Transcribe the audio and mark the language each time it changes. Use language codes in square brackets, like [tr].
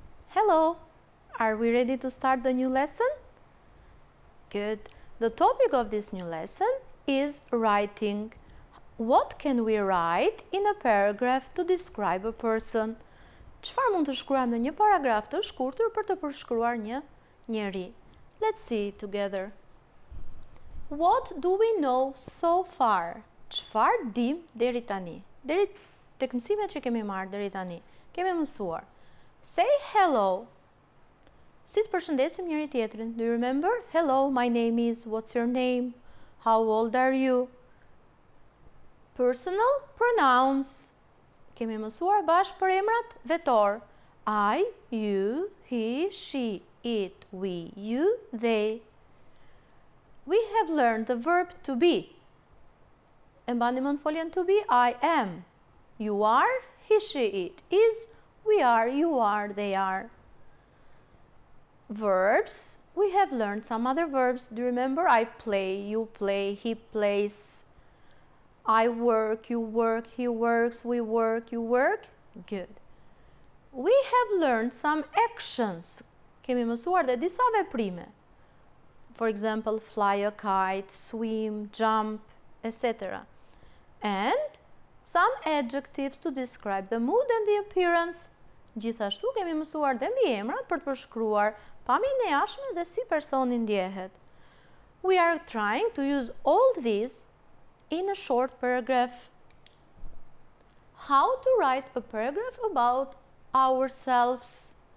[en] Hello, are we ready to start the new lesson? Good. The topic of this new lesson is writing. What can we write in a paragraph to describe a person? [sq] Çfarë mund të shkruajmë në një paragraf të shkurtër për të përshkruar një njeri? [en] Let's see it together. What do we know so far? [sq] Çfarë dim deri tani? Deri tek mësimet që kemi marrë deri tani. Kemi mësuar. [en] Say hello. [sq] Si të përshëndesim njëri tjetrin? [en] Do you remember? Hello, my name is. What's your name? How old are you? Personal pronouns. [sq] Kemi mësuar bashkë për emrat vetor. [en] I, you, he, she, it, we, you, they. We have learned the verb to be. [sq] E mbani mend foljen [en] to be? I am. You are, he, she, it, is, we are, you are, they are. Verbs. We have learned some other verbs. Do you remember? I play, you play, he plays. I work, you work, he works, we work, you work. Good. We have learned some actions. [sq] Kemi mësuar dhe disa veprime. [en] For example, fly a kite, swim, jump, etc. And some adjectives to describe the mood and the appearance. [sq] Gjithashtu kemi mësuar dhe mbi emrat për të përshkruar pamjen e jashtme dhe si personi ndjehet. [en] We are trying to use all these in a short paragraph. How to write a paragraph about ourselves?